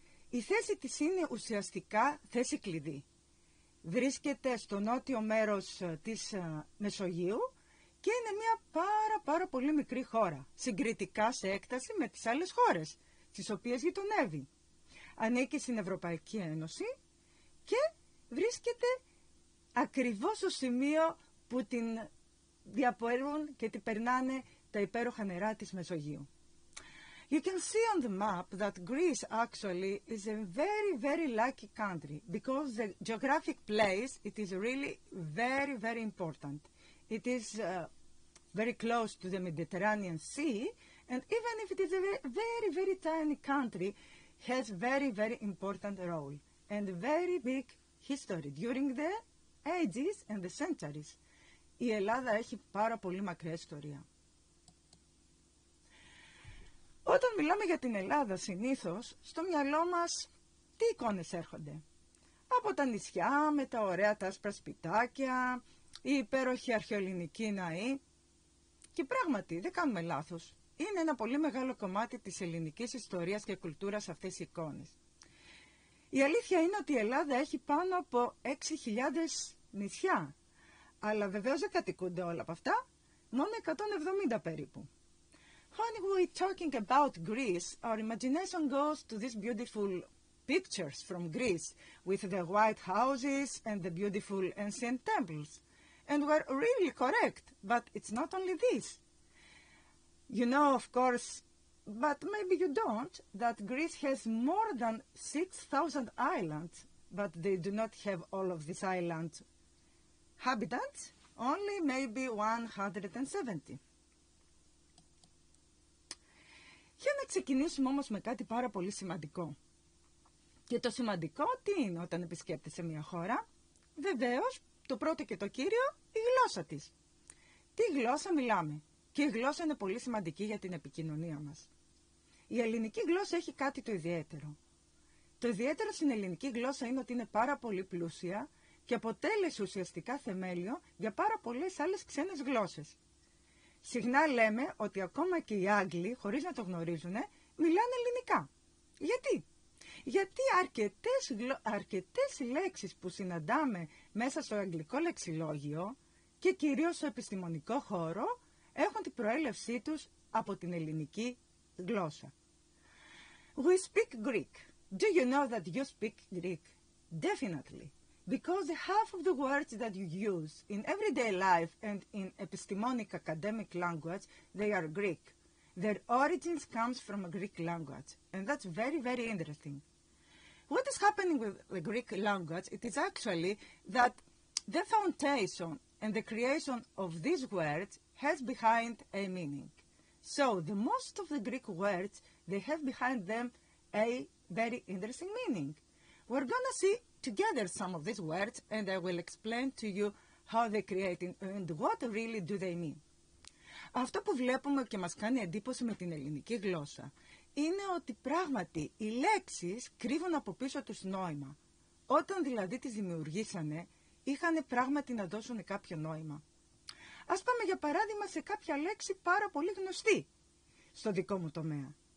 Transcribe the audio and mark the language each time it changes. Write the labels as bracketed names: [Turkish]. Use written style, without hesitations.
[Greek] Η θέση της είναι ουσιαστικά θέση κλειδί. Βρίσκεται στο νότιο μέρος της Μεσογείου και είναι μια πάρα πολύ μικρή χώρα, συγκριτικά σε έκταση με τις άλλες χώρες, τις οποίες γειτονεύει. Ανήκει στην Ευρωπαϊκή Ένωση και βρίσκεται ακριβώς στο σημείο που την διαπορούν και την περνάνε τα υπέροχα νερά της Μεσογείου. [English] You can see on the map that Greece actually is a very, very lucky country because the geographic place, it is really very, very important. It is very close to the Mediterranean Sea, and even if it is a very, very tiny country, has very, very important role and very big history during the ages and the centuries. [Greek] Η Ελλάδα έχει πάρα πολύ μακρή ιστορία. Όταν μιλάμε για την Ελλάδα, συνήθως, στο μυαλό μας, τι εικόνες έρχονται. Από τα νησιά, με τα ωραία τα άσπρα σπιτάκια, οι υπέροχοι αρχαιοελληνικοί ναοί. Και πράγματι, δεν κάνουμε λάθος. Είναι ένα πολύ μεγάλο κομμάτι της ελληνικής ιστορίας και κουλτούρας αυτές οι εικόνες. Η αλήθεια είναι ότι η Ελλάδα έχει πάνω από 6.000 νησιά. Αλλά βεβαίως δεν κατοικούνται όλα από αυτά, μόνο 170 περίπου. [English] When we're talking about Greece, our imagination goes to these beautiful pictures from Greece with the white houses and the beautiful ancient temples. And we're really correct, but it's not only this. You know, of course, but maybe you don't, that Greece has more than 6,000 islands, but they do not have all of these islands habitants, only maybe 170. [Greek] Για να ξεκινήσουμε όμως με κάτι πάρα πολύ σημαντικό. Και το σημαντικό τι είναι όταν επισκέπτεσαι μια χώρα? Βεβαίως, το πρώτο και το κύριο, η γλώσσα της. Τι γλώσσα μιλάμε? Και η γλώσσα είναι πολύ σημαντική για την επικοινωνία μας. Η ελληνική γλώσσα έχει κάτι το ιδιαίτερο. Το ιδιαίτερο στην ελληνική γλώσσα είναι ότι είναι πάρα πολύ πλούσια και αποτέλεσε ουσιαστικά θεμέλιο για πάρα πολλές άλλες ξένες γλώσσες. Συχνά λέμε ότι ακόμα και οι Άγγλοι, χωρίς να το γνωρίζουν, μιλάνε ελληνικά. Γιατί? Γιατί αρκετές λέξεις που συναντάμε μέσα στο αγγλικό λεξιλόγιο και κυρίως στο επιστημονικό χώρο έχουν την προέλευσή τους από την ελληνική γλώσσα. [English] We speak Greek. Do you know that you speak Greek? Definitely. Because half of the words that you use in everyday life and in epistemonic academic language, they are Greek. Their origins comes from a Greek language. And that's very, very interesting. What is happening with the Greek language? It is actually that the foundation and the creation of these words has behind a meaning. So the most of the Greek words, they have behind them a very interesting meaning. We're gonna see together some of these words, and I will explain to you how they create and what really do they mean. [Greek] Αυτό που βλέπουμε και μας κάνει εντύπωση με την ελληνική γλώσσα είναι ότι πράγματι οι λέξεις κρύβουν από πίσω τους νόημα. Όταν δηλαδή τις δημιουργήσανε, είχαν πράγματι να δώσουν κάποιο νόημα. Ας πάμε για παράδειγμα σε κάποια λέξη πάρα πολύ γνωστή στο δικό μου τομέα.